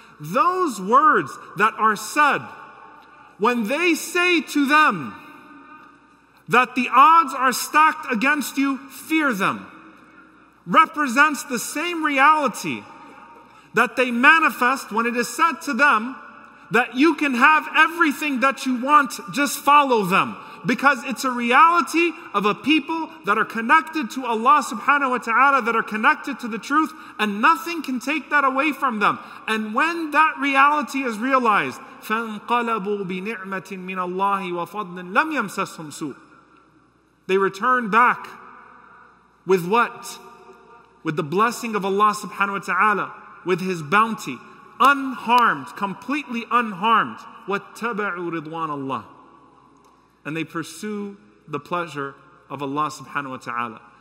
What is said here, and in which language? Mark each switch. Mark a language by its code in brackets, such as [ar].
[en] Those words that are said, when they say to them that the odds are stacked against you, fear them, represents the same reality that they manifest when it is said to them that you can have everything that you want, just follow them. Because it's a reality of a people that are connected to Allah subhanahu wa ta'ala, that are connected to the truth, and nothing can take that away from them. And when that reality is realized, [ar] فَانْقَلَبُوا بِنِعْمَةٍ مِّنَ اللَّهِ وَفَضْلٍ لَمْ يَمْسَسْهُمْ سُوءٍ. [en] They return back with what? With the blessing of Allah subhanahu wa ta'ala, with His bounty. Unharmed, completely unharmed. [ar] وَاتَّبَعُوا رِضْوَانَ اللَّهِ. [en] And they pursue the pleasure of Allah subhanahu wa ta'ala.